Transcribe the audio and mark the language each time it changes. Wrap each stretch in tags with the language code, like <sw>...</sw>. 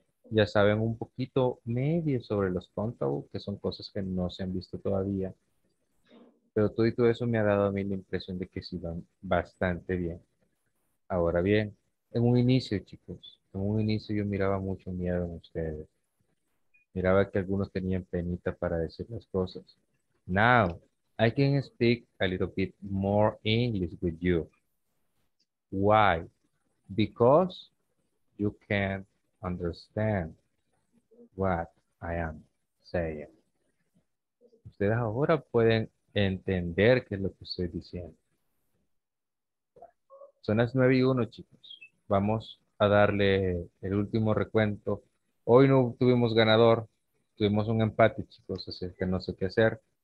<es>Ya saben un poquito medio sobre los countable, que son cosas que no se han visto todavía. Pero todo y todo eso me ha dado a mí la impresión de que sí van bastante bien. Ahora bien, en un inicio, chicos, en un inicio yo miraba mucho miedo en ustedes. Miraba que algunos tenían penita para decir las cosas.</es> <en>Now, I can speak a little bit more English with you. Why? Because you can't understand what I am saying.</en> <es>Ustedes ahora pueden entender qué es lo que estoy diciendo. Son las 9:01, chicos. Vamos a darle el último recuento. Hoy no tuvimos ganador. Tuvimos un empate, chicos, así que no sé qué hacer.</es>